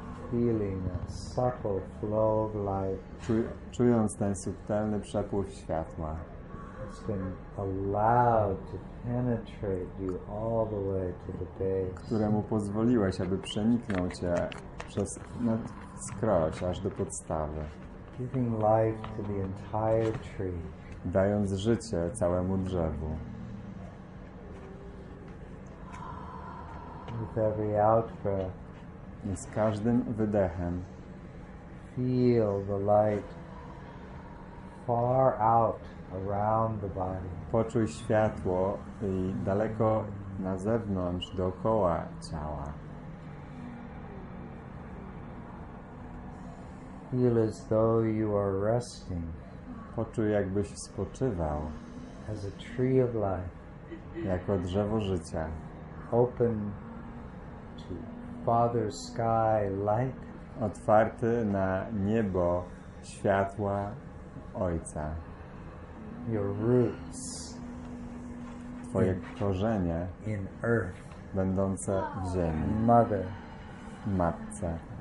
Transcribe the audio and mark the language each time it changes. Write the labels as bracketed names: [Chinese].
[English] Feeling a subtle flow of light. [Polish] Czując ten subtelny przepływ światła. [English] It's been allowed to penetrate you all the way to the base. [Polish] Któremu pozwoliłeś, aby przeniknął cię przez skroś aż do podstawy. [English] Giving life to the entire tree. [Polish] Dając życie całemu drzewu. [English] With every out-breath. [Polish] I z każdym wydechem. [English] Feel the light far out around the body. [Polish] Poczuj światło i daleko na zewnątrz, dookoła ciała. [English] Feel as though you are resting. [Polish] Poczuj, jakbyś spoczywał. [English] As a tree of life. [Polish] Jako drzewo życia. [English] Open to Father sky light. [Polish] Otwarty na niebo światła Ojca. [English] Your roots. [Polish] Twoje korzenie. [English] In earth. [Polish] Będące w ziemi. [English] Mother. [Polish] Matce.